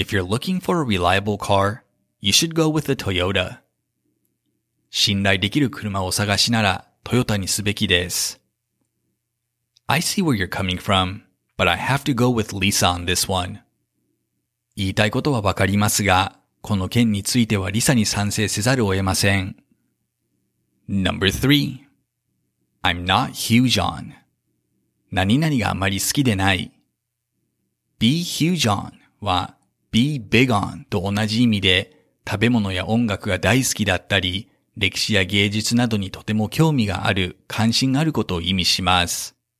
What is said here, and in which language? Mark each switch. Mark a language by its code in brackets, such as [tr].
[en] If you're looking for a reliable car, you should go with a Toyota. [ja] 信頼できる車を探しなら、トヨタにすべきです。 [en] I see where you're coming from, but I have to go with Lisa on this one. [ja] 言いたいことはわかりますが、この件についてはリサに賛成せざるを得ません。 [en] Number 3. I'm not huge on. [ja] 何々があまり好きでない。Be huge on は be big on と同じ意味で、食べ物や音楽が大好きだったり、歴史や芸術などにとても興味がある、関心があることを意味します。